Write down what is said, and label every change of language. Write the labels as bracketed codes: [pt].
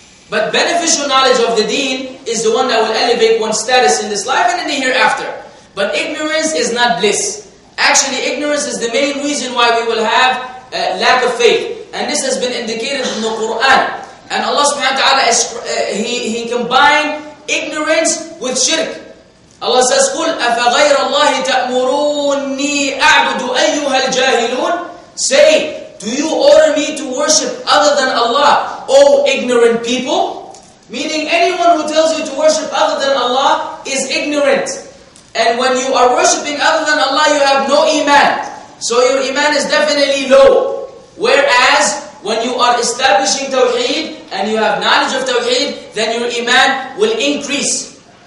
[en] But beneficial knowledge of the deen is the one that will elevate one's status in this life and in the hereafter. But ignorance is not bliss. Actually, ignorance is the main reason why we will have lack of faith. And this has been indicated in the Qur'an. And Allah subhanahu wa ta'ala, He combined ignorance with shirk. [ar] Allah says, قُلْ أَفَغَيْرَ اللَّهِ تَأْمُرُونِي أَعْبُدُ أَيُّهَا الْجَاهِلُونَ. [en] Say, do you order me to worship other than Allah, O ignorant people? Meaning anyone who tells you to worship other than Allah is ignorant. And when you are worshipping other than Allah, you have no iman. So your iman is definitely low. Whereas, when you are establishing tawheed, and you have knowledge of tawheed, then your iman will increase.